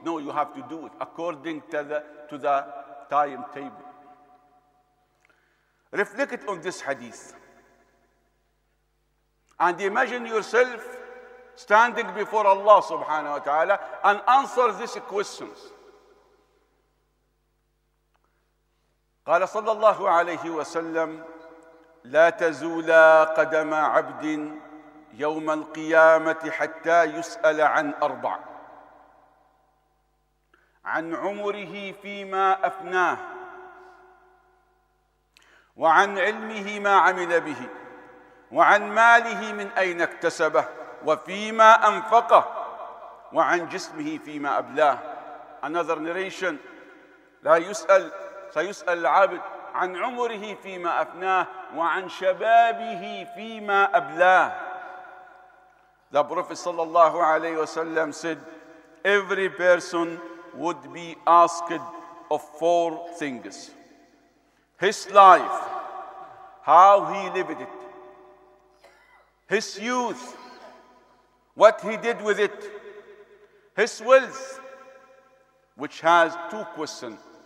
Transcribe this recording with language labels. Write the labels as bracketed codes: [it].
[en] No, you have to do it according to the timetable. Reflect on this hadith and imagine yourself standing before Allah subhanahu wa ta'ala and answer these questions. [ar] قال صلى الله عليه وسلم لا تزول قدم عبد يوم القيامة حتى يسأل عن أربع عن عمره فيما أفناه وعن علمه ما عمل به وعن ماله من أين اكتسبه وفيما أنفقه وعن جسمه فيما أبلاه. [en] Another narration. [ar] سيسأل العابد عن عمره فيما أفناه وعن شبابه فيما أبلاه. [en] The Prophet sallallahu alayhi wasallam said, every person would be asked of four things: his life, how he lived it, his youth, what he did with it, his wealth, which has two questions.